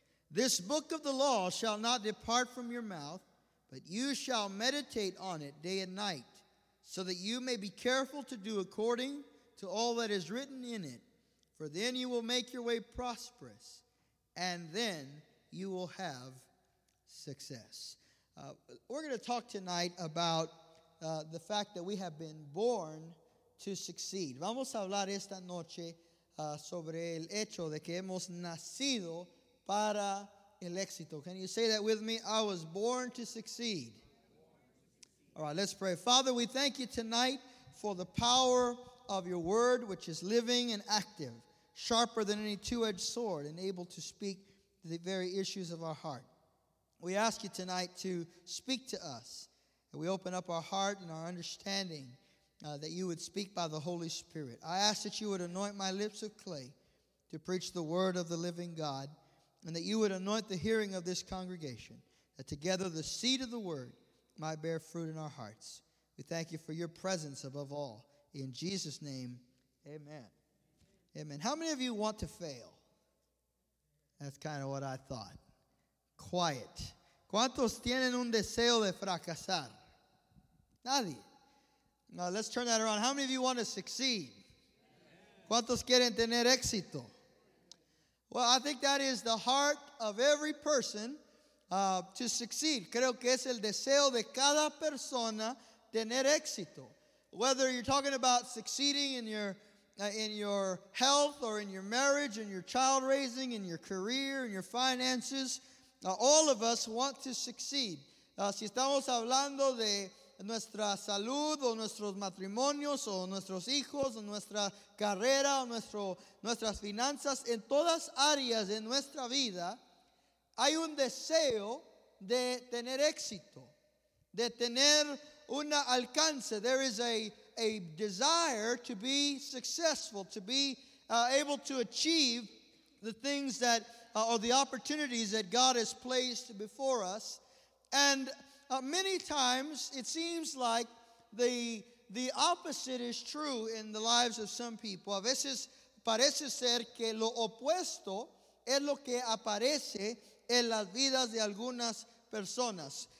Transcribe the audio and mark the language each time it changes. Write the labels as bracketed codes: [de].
[en] This book of the law shall not depart from your mouth, but you shall meditate on it day and night, so that you may be careful to do according to all that is written in it. For then you will make your way prosperous, and then you will have success." We're going to talk tonight about the fact that we have been born to succeed. [es] Vamos a hablar esta noche sobre el hecho de que hemos nacido para el éxito. [en] Can you say that with me? I was born to succeed. All right, let's pray. Father, we thank you tonight for the power of your word, which is living and active, sharper than any two-edged sword, and able to speak to the very issues of our heart. We ask you tonight to speak to us, and we open up our heart and our understanding that you would speak by the Holy Spirit. I ask that you would anoint my lips of clay to preach the word of the living God, and that you would anoint the hearing of this congregation, that together the seed of the word might bear fruit in our hearts. We thank you for your presence above all. In Jesus' name, amen. Amen. How many of you want to fail? That's kind of what I thought. Quiet. [es] ¿Cuántos tienen un deseo de fracasar? Nadie. [en] Now let's turn that around. How many of you want to succeed? [es] ¿Cuántos quieren tener éxito? [en] Well, I think that is the heart of every person to succeed. [es] Creo que es el deseo de cada persona tener éxito. [en] Whether you're talking about succeeding in your health or in your marriage, in your child raising, in your career, in your finances, all of us want to succeed. [es] Si estamos hablando de nuestra salud o nuestros matrimonios o nuestros hijos o nuestra carrera o nuestras finanzas, en todas áreas de nuestra vida hay un deseo de tener éxito, de tener un alcance. [en] There is a desire to be successful, to be able to achieve the things that or the opportunities that God has placed before us. And many times it seems like the opposite is true in the lives of some people. [es] A veces parece ser que lo opuesto es lo que aparece en las vidas de algunas personas.